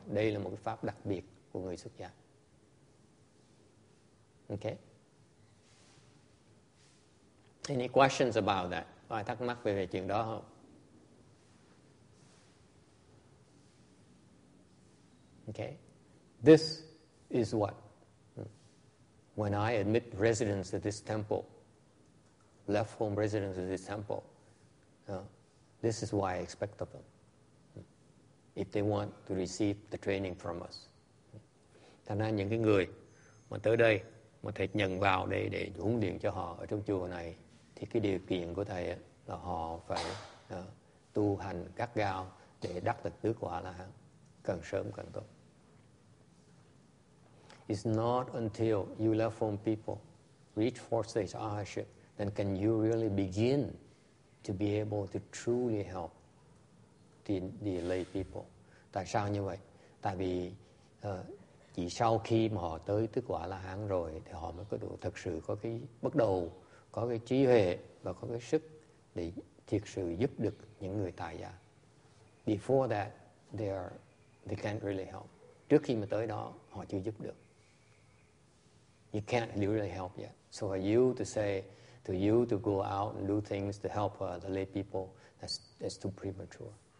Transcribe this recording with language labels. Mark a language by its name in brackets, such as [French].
[Vietnamese] Đây là một cái pháp đặc biệt của người xuất gia. [English] Okay. Any questions about that? [Vietnamese] Có ai thắc mắc về chuyện đó không? [English] Okay. This is what when I admit residents to this temple, left home residents of this temple, this is what I expect of them. If they want to receive the training from us. [Vietnamese] Thành ra những cái người mà tới đây mà thầy nhận vào đây để huấn luyện cho họ ở trong chùa này thì cái điều kiện của thầy là họ phải tu hành gắt gao để đắc được tứ quả là càng sớm càng tốt. [English] It's not until you left home people reach fourth stage arhatship then can you really begin to be able to truly help the lay people. [Vietnamese] Tại sao như vậy? Tại vì chỉ sau khi mà họ tới tứ quả la hán rồi thì họ mới có đủ thực sự có cái bắt đầu có cái trí huệ và có cái sức để thiệt sự giúp được những người tại gia. [English] Before that they can't really help. [Vietnamese] Trước khi mà tới đó họ chưa giúp được. [English] You can't really help yet. So for you to say to you to go out and do things to help the lay people, that's too premature.